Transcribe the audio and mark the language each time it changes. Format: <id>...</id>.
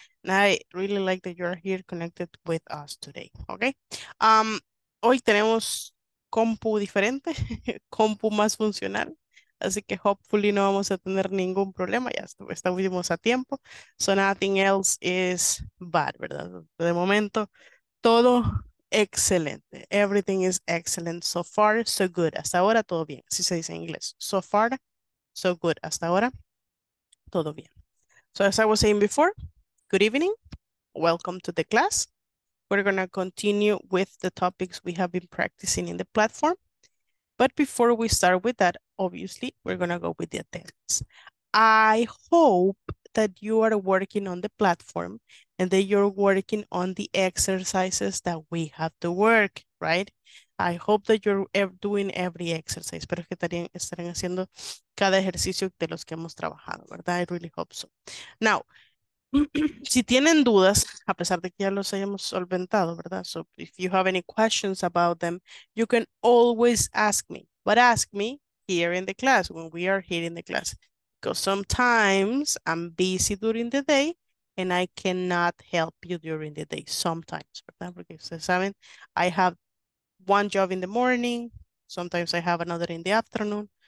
<en>And I really like that you're here connected with us today, okay?</en> <es>Hoy tenemos compu diferente, compu más funcional, así que hopefully no vamos a tener ningún problema, ya estuvimos a tiempo.</es> <en>So nothing else is bad,</en> <es>¿verdad? De momento, todo excelente.</es> <en>Everything is excellent. So far, so good.</en> <es>Hasta ahora, todo bien. Así se dice en inglés.</es> <en>So far, so good.</en> <es>Hasta ahora, todo bien.</es> <en>So as I was saying before, good evening. Welcome to the class. We're going to continue with the topics we have been practicing in the platform. But before we start with that, obviously, we're going to go with the attendance. I hope that you are working on the platform and that you're working on the exercises that we have to work, right? I hope that you're doing every exercise,</en> <es>pero que estarán haciendo cada ejercicio de los que hemos trabajado, ¿verdad?</es> <en>I really hope so.</en> <es>Now, si tienen dudas, a pesar de que ya los hayamos solventado, ¿verdad?</es> <en>So if you have any questions about them, you can always ask me, but ask me here in the class, when we are here in the class. Because sometimes I'm busy during the day and I cannot help you during the day. Sometimes,</en> <es>¿verdad? Porque ustedes saben,</es> <en>I have one job in the morning, sometimes I have another in the afternoon.</en>